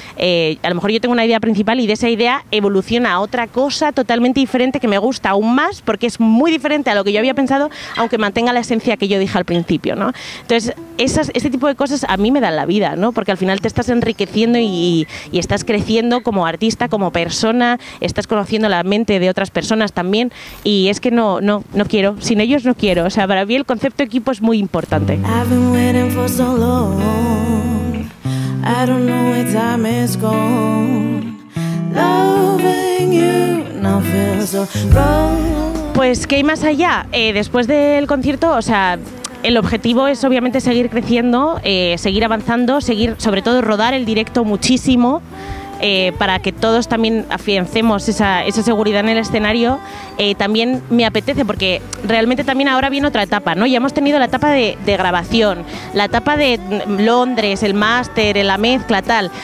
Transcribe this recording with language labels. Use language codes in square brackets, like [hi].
[es] A lo mejor yo tengo una idea principal y de esa idea evoluciona a otra cosa totalmente diferente que me gusta aún más porque es muy diferente a lo que yo había pensado, aunque mantenga la esencia que yo dije al principio, ¿no? Entonces, ese tipo de cosas a mí me dan la vida, ¿no? Porque al final te estás enriqueciendo y estás creciendo como artista, como persona, estás conociendo la mente de otras personas también, y es que no quiero, sin ellos no quiero. O sea, para mí el concepto equipo es muy importante. [en] I've been waiting for so long, I don't know where time is gone, loving you now feels so wrong. [es] Pues, ¿qué hay más allá? Después del concierto, o sea, el objetivo es obviamente seguir creciendo, seguir avanzando, seguir sobre todo rodar el directo muchísimo, para que todos también afiancemos esa seguridad en el escenario. También me apetece porque realmente también ahora viene otra etapa, ¿no? Ya hemos tenido la etapa de grabación, la etapa de Londres, el máster, la mezcla, tal.